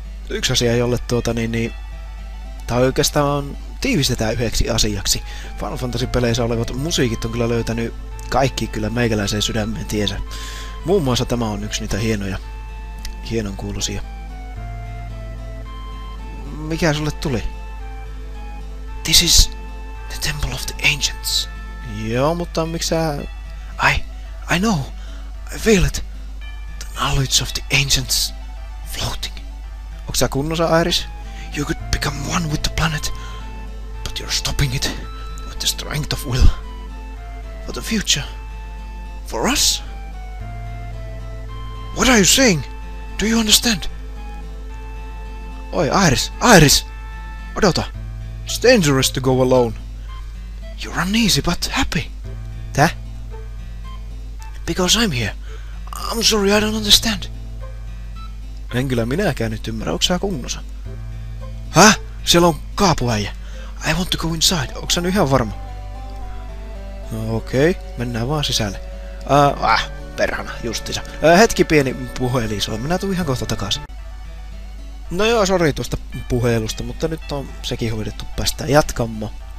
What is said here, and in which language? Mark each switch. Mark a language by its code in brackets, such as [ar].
[fi] Yksi asia, jolle tuota niin... tai oikeastaan tiivistetään yhdeksi asiaksi. Final Fantasy-peleissä olevat musiikit on kyllä löytänyt kaikki kyllä meikäläiseen sydämeen tiesä. Muun muassa tämä on yksi niitä hienoja, hienon kuuluisia. Mikä sulle tuli? [en] This is the Temple of the Ancients. [fi] Joo, mutta miksi sä... [en] I know. I feel it. The knowledge of the ancients floating. [fi] Onko sä kunnossa, Iris? [en] You could become one with the planet, but you're stopping it with the strength of will. For the future. For us? What are you saying? Do you understand? [fi] Oi, Iris! Odota! [en] It's dangerous to go alone. You're uneasy, but happy. [fi] Täh? [en] Because I'm here. I'm sorry, I don't understand. [fi] En kyllä minäkään nyt ymmärrä, onks sä kunnossa? [en] Häh? [fi] Siellä on kaapuäijä. [en] I want to go inside. [fi] Onks sä nyt ihan varma? Okei, mennään vaan sisälle. Perhana, justiinsa. Hetki pieni puhelin soi, minä tuun ihan kohta takaisin. No joo, sori tuosta puhelusta, mutta nyt on sekin hoidettu, päästään jatkamo.